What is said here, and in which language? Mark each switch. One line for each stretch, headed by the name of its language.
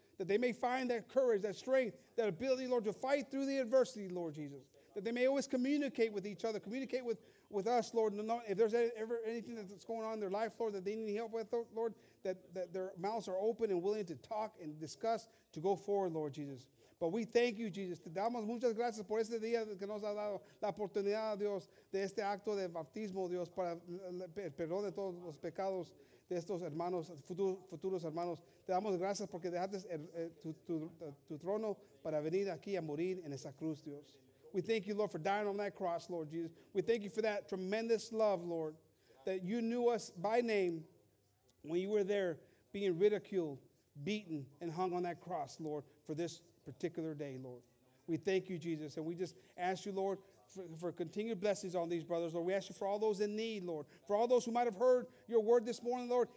English: That they may find that courage, that strength, that ability, Lord, to fight through the adversity, Lord Jesus. That they may always communicate with each other, communicate with us, Lord. If there's ever anything that's going on in their life, Lord, that they need help with, Lord, that their mouths are open and willing to talk and discuss to go forward, Lord Jesus. But we thank you, Jesus.
Spanish: Te damos muchas gracias por este día que nos ha dado la oportunidad, Dios, de este acto de bautismo, Dios, para el perdón de todos los pecados de estos hermanos, futuros hermanos. Te damos gracias porque dejaste tu trono para venir aquí a morir en esa cruz, Dios.
English: We thank you, Lord, for dying on that cross, Lord Jesus. We thank you for that tremendous love, Lord, that you knew us by name when you were there being ridiculed, beaten, and hung on that cross, Lord, for this particular day, Lord. We thank you, Jesus, and we just ask you, Lord, for continued blessings on these brothers, Lord. We ask you for all those in need, Lord, for all those who might have heard your word this morning, Lord.